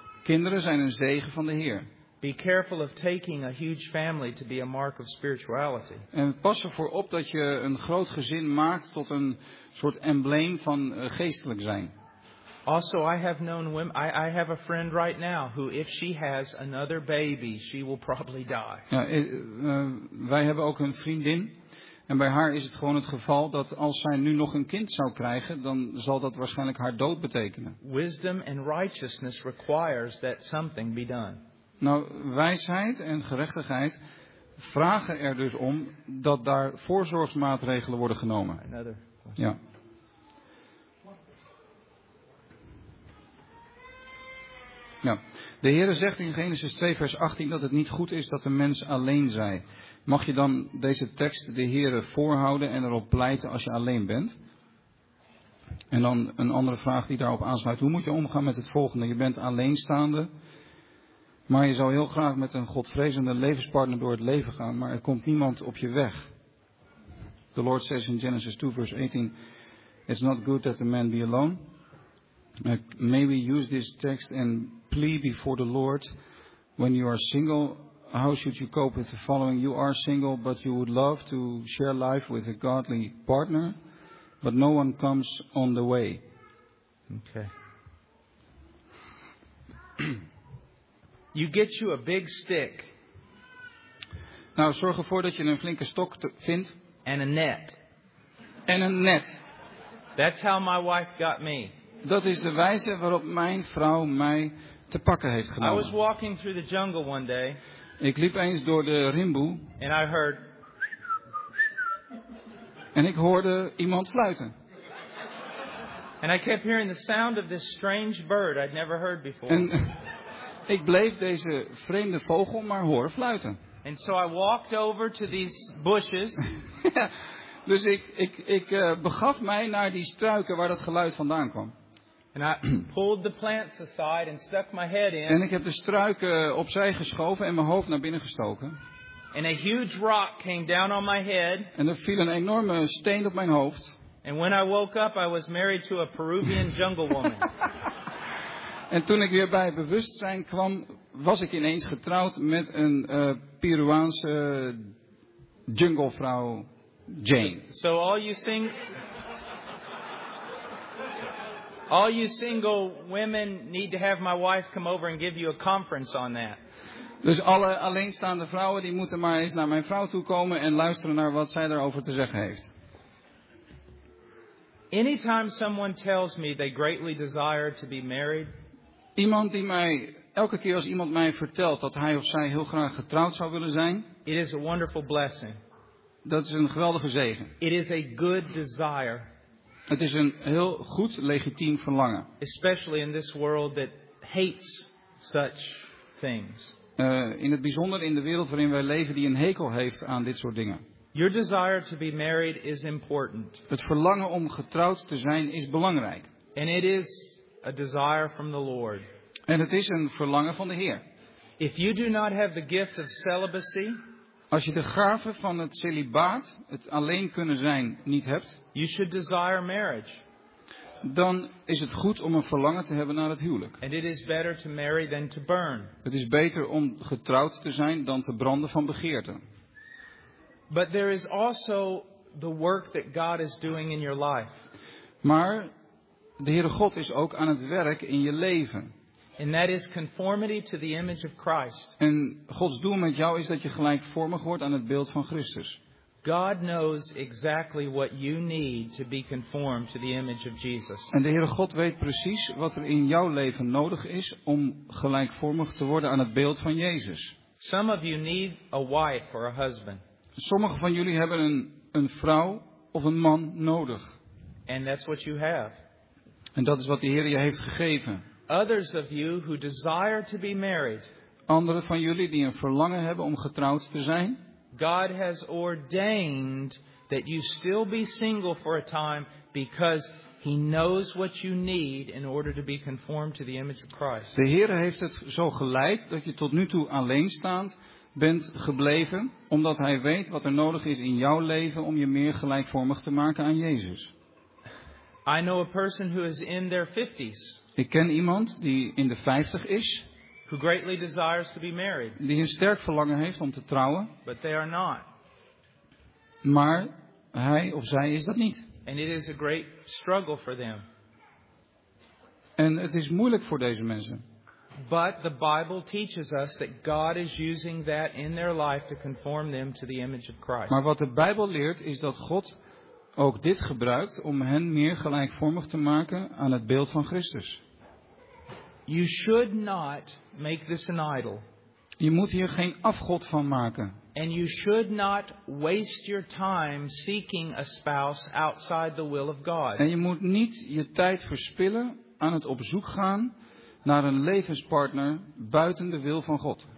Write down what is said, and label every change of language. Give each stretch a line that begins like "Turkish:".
Dutch: Kinderen zijn een zegen van de Heer.
English: Be careful of taking a huge family to be a mark of spirituality.
Dutch: En pas ervoor op dat je een groot gezin maakt tot een soort embleem van geestelijk zijn.
English: Also, I have known women. I have a friend right now who, if she has another baby, she will probably die.
Dutch: Ja, wij hebben ook een vriendin. En bij haar is het gewoon het geval dat als zij nu nog een kind zou krijgen, dan zal dat waarschijnlijk haar dood betekenen.
English: Wisdom and righteousness requires that something be done.
Dutch: Nou, wijsheid en gerechtigheid vragen er dus om dat daar voorzorgsmaatregelen worden genomen.
English: Another question.
Dutch: Ja. Ja. De Heere zegt in Genesis 2 vers 18 dat het niet goed is dat een mens alleen zij. Mag je dan deze tekst de Heere voorhouden en erop pleiten als je alleen bent? En dan een andere vraag die daarop aansluit. Hoe moet je omgaan met het volgende? Je bent alleenstaande, maar je zou heel graag met een godvrezende levenspartner door het leven gaan, maar er komt niemand op je weg.
English: The Lord says in Genesis 2 vers 18, "It's not good that a man be alone." May we use this text and plea before the Lord, when you are single, how should you cope with the following? You are single, but you would love to share life with a godly partner, but no one comes on the way. Okay. You get you a big stick.
Dutch: Nou, zorg ervoor dat je een flinke stok vindt.
English: And a net.
Dutch: En een net.
English: That's how my wife got me.
Dutch: Dat is de wijze waarop mijn vrouw mij te pakken heeft genomen.
English: I was walking through the jungle one day.
Dutch: Ik liep eens door de rimboe.
English: And I heard.
Dutch: En ik hoorde iemand fluiten.
English: And I kept hearing the sound of this strange bird I'd never heard before.
Dutch: En ik bleef deze vreemde vogel maar horen fluiten.
English: And so I walked over to these bushes.
Dutch: Ja, dus ik begaf mij naar die struiken waar dat geluid vandaan kwam.
English: And I pulled the plants aside and stuck my head in.
Dutch: En ik heb de struiken opzij geschoven en mijn hoofd naar binnen gestoken.
English: And a huge rock came down on my head.
Dutch: En er viel een enorme steen op mijn hoofd.
English: And when I woke up, I was married to a Peruvian jungle woman.
Dutch: En toen ik weer bij bewustzijn kwam, was ik ineens getrouwd met een Peruaanse junglevrouw, Jane.
English: So all you sing. All you single women need to have my wife come over and give you a conference on that.
Dutch: Dus alle alleenstaande vrouwen die moeten maar eens naar mijn vrouw toe komen en luisteren naar wat zij daarover te zeggen heeft.
English: Anytime someone tells me they greatly desire to be married.
Dutch: Iemand die mij elke keer als iemand mij vertelt dat hij of zij heel graag getrouwd zou willen zijn.
English: It is a wonderful blessing.
Dutch: Dat is een geweldige zegen.
English: It is a good desire.
Dutch: Het is een heel goed, legitiem verlangen.
English: Especially in this world that hates such things.
Dutch: In het bijzonder in de wereld waarin wij leven die een hekel heeft aan dit soort dingen.
English: Your desire to be married is important.
Dutch: Het verlangen om getrouwd te zijn is belangrijk.
English: And it is a desire from the Lord.
Dutch: En het is een verlangen van de Heer.
English: If you do not have the gift of celibacy.
Dutch: Als je de gave van het celibaat, het alleen kunnen zijn, niet hebt,
English: you should desire marriage.
Dutch: dan is het goed om een verlangen te hebben naar het huwelijk.
English: And it is better to marry than to burn.
Dutch: Het is beter om getrouwd te zijn dan te branden van begeerte.
English: But there is also the work that God is doing in your life.
Dutch: Maar de Heere God is ook aan het werk in je leven.
English: And that is conformity to the image of Christ.
Dutch: En Gods doel met jou is dat je gelijkvormig wordt aan het beeld van Christus.
English: God knows exactly what you need to be conformed to the image of Jesus.
Dutch: En de Heere God weet precies wat er in jouw leven nodig is om gelijkvormig te worden aan het beeld van Jezus.
English: Some of you need a wife or a husband.
Dutch: Sommigen van jullie hebben een vrouw of een man nodig.
English: And that's what you have.
Dutch: En dat is wat de Heer je heeft gegeven.
English: Others of you who desire to be married.
Dutch: Anderen van jullie die een verlangen hebben om getrouwd te zijn.
English: God has ordained that you still be single for a time because he knows what you need in order to be conformed to the image of Christ.
Dutch: De Heer heeft het zo geleid dat je tot nu toe alleenstaand bent gebleven, omdat hij weet wat er nodig is in jouw leven om je meer gelijkvormig te maken aan Jezus.
English: I know a person who is in their 50s.
Dutch: Ik ken iemand die in de 50 is.
English: Who greatly desires to be married.
Dutch: Die een sterk verlangen heeft om te trouwen.
English: But they are not.
Dutch: Maar hij of zij is dat niet.
English: And it is a great struggle for them.
Dutch: En het is moeilijk voor deze mensen.
English: But the Bible teaches us that God is using that in their life to conform them to the image of Christ.
Dutch: Maar wat de Bijbel leert is dat God ook dit gebruikt om hen meer gelijkvormig te maken aan het beeld van Christus.
English: You should not make this an idol.
Dutch: Je moet hier geen afgod van maken.
English: And you should not waste your time seeking a spouse outside the will of God.
Dutch: En je moet niet je tijd verspillen aan het op zoek gaan naar een levenspartner buiten de wil van God.